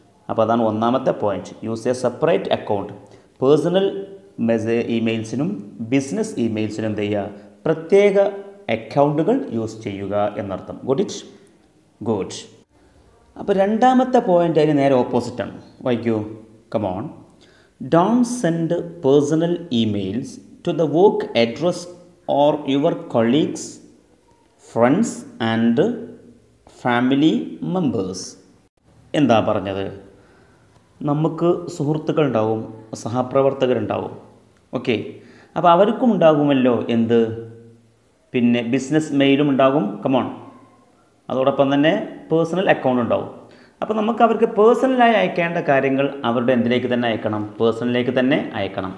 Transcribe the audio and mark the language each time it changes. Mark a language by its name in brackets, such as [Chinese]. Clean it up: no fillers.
[Malayalam] അപ്പോൾ അതാണ് ഒന്നാമത്തെ point, [English] Use a separate account. [Malayalam] Personal ഇമെയിൽസിനും business ഇമെയിൽസിനും എന്ത് ചെയ്യുക, പ്രത്യേക അക്കൗണ്ടുകൾ യൂസ് ചെയ്യുക എന്നർത്ഥം. Good it? ഗുഡ്. അപ്പോൾ രണ്ടാമത്തെ പോയിൻ്റ് അതിന് നേരെ ഓപ്പോസിറ്റാണ്. YQ, come on. [English] Don't send personal emails to the work address or your colleagues, friends and family members. [Malayalam] എന്താ പറഞ്ഞത്? നമുക്ക് സുഹൃത്തുക്കൾ ഉണ്ടാവും, സഹപ്രവർത്തകരുണ്ടാവും, ഓക്കെ. അപ്പോൾ അവർക്കും ഉണ്ടാകുമല്ലോ എന്ത്, പിന്നെ ബിസിനസ് മെയിലും ഉണ്ടാകും, കമോൺ. അതോടൊപ്പം തന്നെ പേഴ്സണൽ അക്കൗണ്ട് ഉണ്ടാവും. അപ്പോൾ നമുക്ക് അവർക്ക് പേഴ്സണലായി അയക്കേണ്ട കാര്യങ്ങൾ അവരുടെ എന്തിലേക്ക് തന്നെ അയക്കണം, പേഴ്സണലിലേക്ക് തന്നെ അയക്കണം.